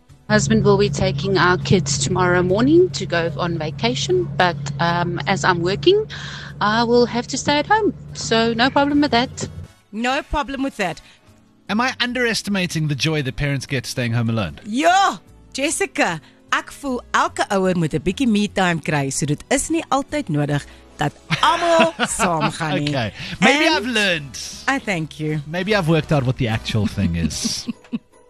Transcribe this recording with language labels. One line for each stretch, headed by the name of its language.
English: Husband will be taking our kids tomorrow morning to go on vacation, but as I'm working, I will have to stay at home. So no problem with that. No problem with that. Am I underestimating the joy that parents get staying home alone?
Afrikaans: Ja, Jessica. Ek voel elke ouer moet 'n bietjie
English: me time
Afrikaans: kry, so dit is nie altyd nodig dat almal saam gaan nie.
English: Okay. Maybe I've learned. I thank you. Maybe I've worked out what the actual thing is.